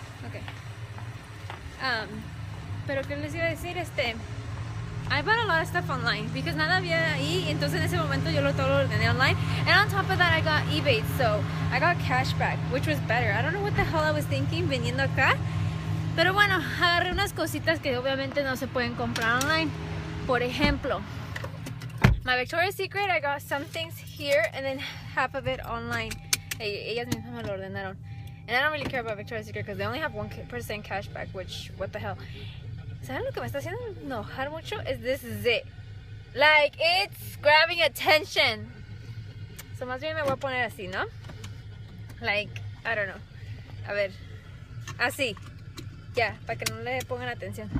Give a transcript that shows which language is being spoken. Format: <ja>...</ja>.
<es>Ok. Pero que les iba a decir,</es> <en>I bought a lot of stuff online because</en> <es>nada había ahí, entonces en ese momento yo todo lo ordené online.</es> <en>And on top of that, I got eBay, so I got cash back, which was better. I don't know what the hell I was thinking</en> <es>viniendo acá. Pero bueno, agarré unas cositas que obviamente no se pueden comprar online. Por ejemplo,</es> <en>my Victoria's Secret, I got some things here and then half of it online.</en> <es>Ellas mismas me lo ordenaron.</es> <en>And I don't really care about Victoria's Secret because they only have 1% cash back, which, what the hell.</en> <es>¿Saben lo que me está haciendo enojar mucho?</es> <en>Is this zit. Like, it's grabbing attention.</en> <es>So, más bien me voy a poner así, ¿no?</es> <en>Like, I don't know.</en> <es>A ver. Así. Ya, yeah, para que no le pongan atención.</es>